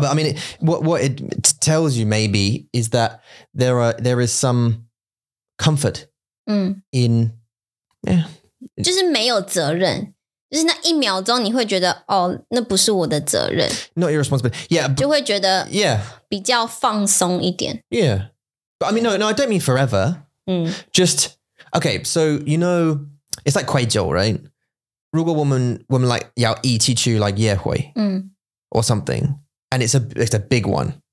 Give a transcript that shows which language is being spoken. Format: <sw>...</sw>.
<en>But I mean, what it tells you maybe is that there is some comfort in yeah,</en> <zh>就是没有责任就是那一秒钟你会觉得哦，那不是我的责任</zh> <en>Not your responsibility yeah,</en> <zh>就会觉得</zh> <en>yeah,</en> <zh>比较放松一点</zh> <en>Yeah But I mean, no, I don't mean forever Just Okay, so, you know, it's like 愧疚, right?</en> <zh>如果我们</zh> <en>like,</en> <zh>要一起去</zh> <en>like,</en> <zh>夜会</zh> <en>or something, and it's a big one.</en>